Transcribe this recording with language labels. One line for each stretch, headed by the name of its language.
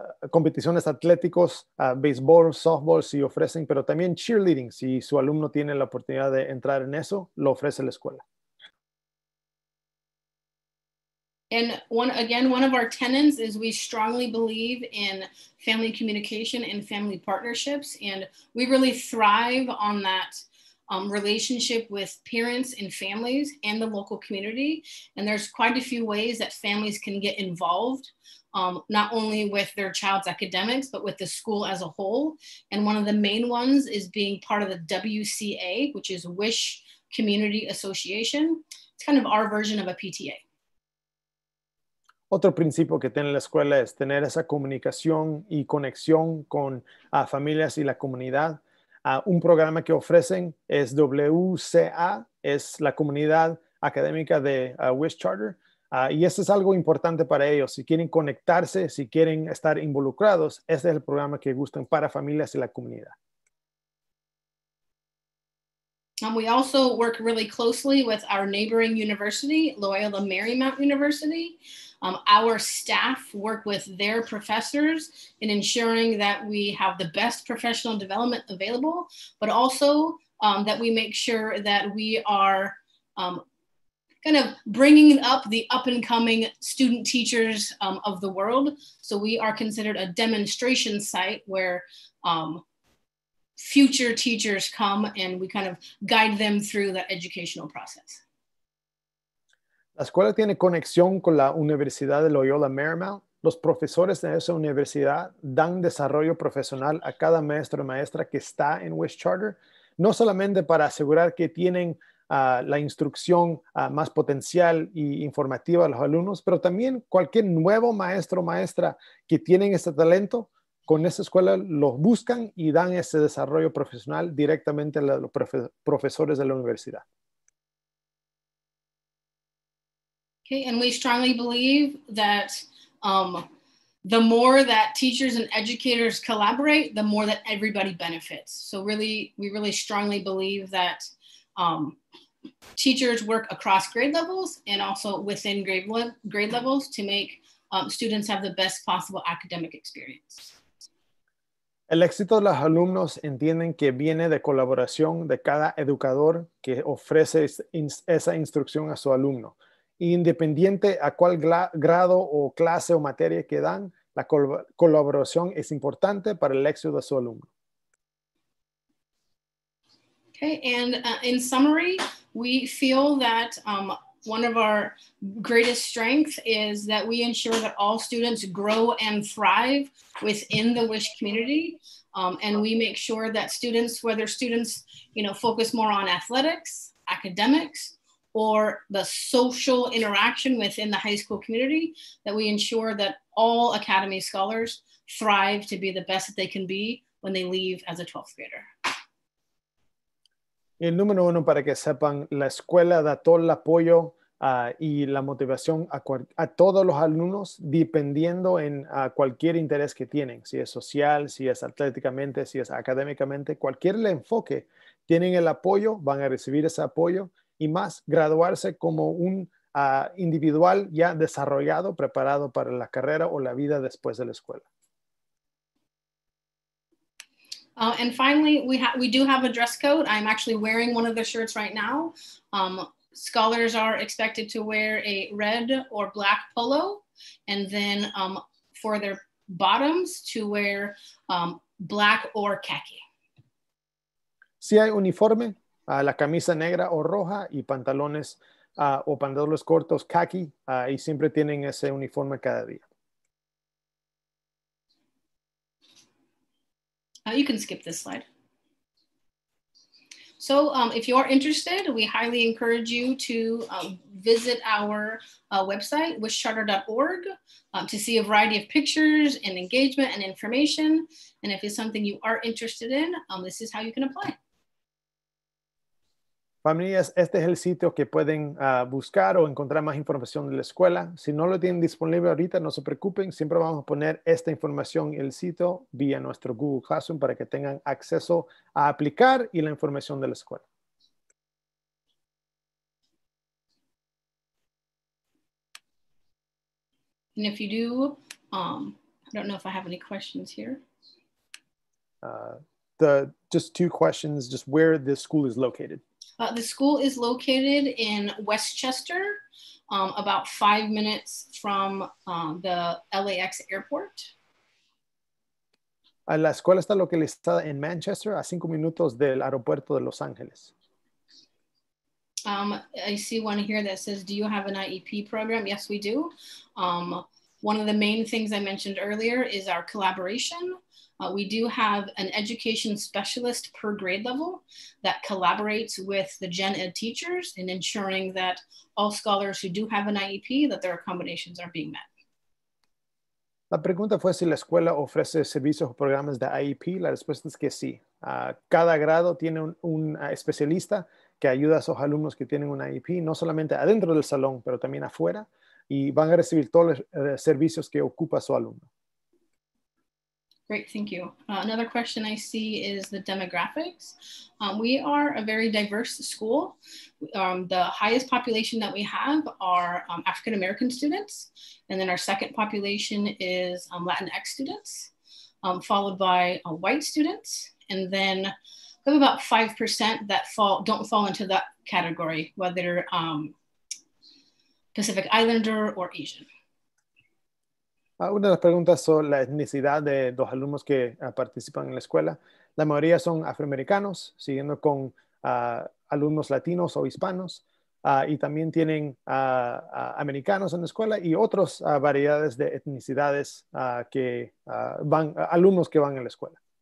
Spanish: Competiciones atléticos, béisbol, softball, si ofrecen, pero también cheerleading, si su alumno tiene la oportunidad de entrar en eso, lo ofrece la escuela.
English: And one of our tenets is we strongly believe in family communication and family partnerships, and we really thrive on that relationship with parents and families and the local community. And there's quite a few ways that families can get involved, not only with their child's academics, but with the school as a whole. And one of the main ones is being part of the WCA, which is WISH Community Association. It's kind of our version of a PTA.
Spanish: Otro principio que tiene la escuela es tener esa comunicación y conexión con familias y la comunidad. Un programa que ofrecen es WCA, es la comunidad académica de WISH Charter. Y eso es algo importante para ellos. Si quieren conectarse, si quieren estar involucrados, este es el programa que gustan para familias y la comunidad.
English: We also work really closely with our neighboring university, Loyola Marymount University. Our staff work with their professors in ensuring that we have the best professional development available, but also that we make sure that we are kind of bringing up the up and coming student teachers of the world. So we are considered a demonstration site where future teachers come and we kind of guide them through that educational process.
Spanish: La escuela tiene conexión con la Universidad de Loyola Marymount. Los profesores de esa universidad dan desarrollo profesional a cada maestro o maestra que está en West Charter, no solamente para asegurar que tienen la instrucción más potencial y informativa a los alumnos, pero también cualquier nuevo maestro o maestra que tienen ese talento, con esa escuela los buscan y dan ese desarrollo profesional directamente a los profesores de la universidad.
English: Okay, and we strongly believe that the more that teachers and educators collaborate, the more that everybody benefits. So really, we really strongly believe that teachers work across grade levels and also within grade levels to make students have the best possible academic experience.
Spanish: El éxito de los alumnos entienden que viene de colaboración de cada educador que ofrece esa instrucción a su alumno. Independiente a cuál grado o clase o materia que dan, la colaboración es importante para el éxito de su alumno.
English: Okay, and in summary, we feel that one of our greatest strengths is that we ensure that all students grow and thrive within the WISH community. And we make sure that students, whether students, you know, focus more on athletics, academics, or the social interaction within the high school community, that we ensure that all Academy scholars thrive to be the best that they can be when they leave as a 12th grader.
Spanish: El número uno, para que sepan, la escuela da todo el apoyo y la motivación a todos los alumnos, dependiendo en cualquier interés que tienen, si es social, si es atléticamente, si es académicamente, cualquier el enfoque, tienen el apoyo, van a recibir ese apoyo, y más, graduarse como un individual ya desarrollado, preparado para la carrera o la vida después de la escuela.
English: And finally, we do have a dress code. I'm actually wearing one of the shirts right now. Scholars are expected to wear a red or black polo, and then for their bottoms to wear black or khaki.
Spanish: Si hay uniforme, la camisa negra o roja y pantalones o pantalones cortos khaki, y siempre tienen ese uniforme cada día.
English: You can skip this slide. So if you are interested, we highly encourage you to visit our website, wishcharter.org, to see a variety of pictures and engagement and information. And if it's something you are interested in, this is how you can apply.
Spanish: Familias, este es el sitio que pueden buscar o encontrar más información de la escuela. Si no lo tienen disponible ahorita, no se preocupen. Siempre vamos a poner esta información en el sitio vía nuestro Google Classroom para que tengan acceso a aplicar y la información de la escuela.
English: And if you do, I don't know if I have any questions here. Just two questions, just where this school is located. The school is located in Westchester, about 5 minutes from the LAX airport.
Spanish: La escuela está localizada en Manchester, a 5 minutos del aeropuerto de Los Ángeles.
English: I see one here that says, do you have an IEP program? Yes, we do. One of the main things I mentioned earlier is our collaboration. We do have an education specialist per grade level that collaborates with the gen ed teachers in ensuring that all scholars who do have an IEP, that their accommodations are being met.
Spanish: La pregunta fue si la escuela ofrece servicios o programas de IEP. La respuesta es que sí. Cada grado tiene un especialista que ayuda a esos alumnos que tienen un IEP, no solamente adentro del salón, pero también afuera, y van a recibir todos los servicios que ocupa su alumno.
English: Great, thank you. Another question I see is the demographics. We are a very diverse school. The highest population that we have are African-American students. And then our second population is Latinx students, followed by white students. And then we have about 5% that don't fall into that category, whether Pacific Islander or Asian.
Spanish: Una de las preguntas son la etnicidad de los alumnos que participan en la escuela. La mayoría son afroamericanos, siguiendo con alumnos latinos o hispanos, y también tienen americanos en la escuela y otras variedades de etnicidades alumnos que van a la escuela.